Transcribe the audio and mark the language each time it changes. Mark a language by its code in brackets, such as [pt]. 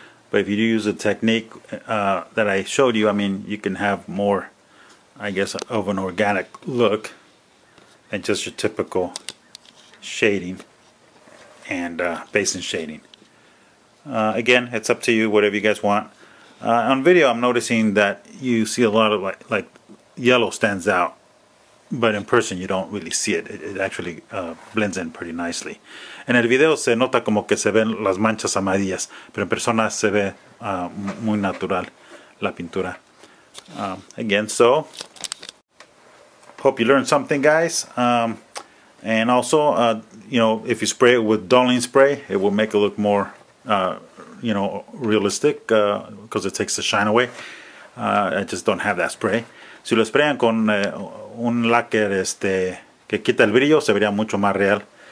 [en] But if you do use the technique that I showed you, I mean, you can have more, I guess, of an organic look than just your typical shading and base and shading. Again, it's up to you, whatever you guys want. On video, I'm noticing that you see a lot of like yellow stands out, but in person you don't really see it. It actually blends in pretty nicely. [es] En el video se nota como que se ven las manchas amarillas, pero en persona se ve muy natural la pintura. [en] Again, so hope you learned something, guys. And also, you know, if you spray it with dulling spray, it will make it look more, you know, realistic because it takes the shine away. I just don't have that spray. [es] Si lo sprayan con un lacquer que quita el brillo, se vería mucho más real.